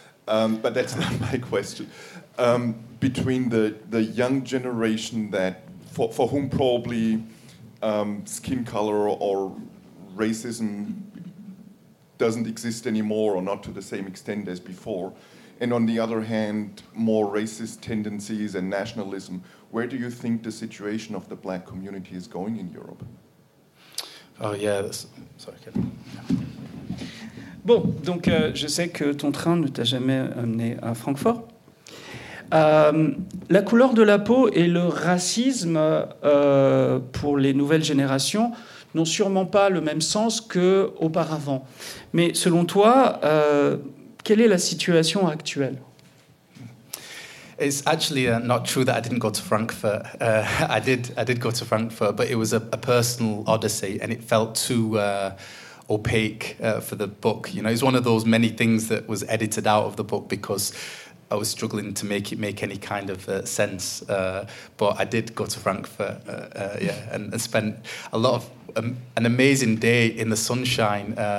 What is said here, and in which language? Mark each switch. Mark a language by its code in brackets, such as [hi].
[en] But that's not my question. Between the young generation that for whom probably skin color or racism doesn't exist anymore or not to the same extent as before, and on the other hand, more racist tendencies and nationalism, where do you think the situation of the Black community is going in Europe? Oh, yeah. Sorry, Ken. [fr] Bon, donc je sais que ton train ne t'a jamais amené à Francfort. La couleur de la peau et le racisme pour les nouvelles générations n'ont sûrement pas le même sens qu'auparavant. Mais selon toi, quelle est la situation actuelle? [en] It's actually not true that I didn't go to Frankfurt. I did go to Frankfurt, but it was a personal odyssey and it felt too opaque for the book. You know, it's one of those many things that was edited out of the book because I was struggling to make it make any kind of sense, but I did go to Frankfurt, and spent a lot of an amazing day in the sunshine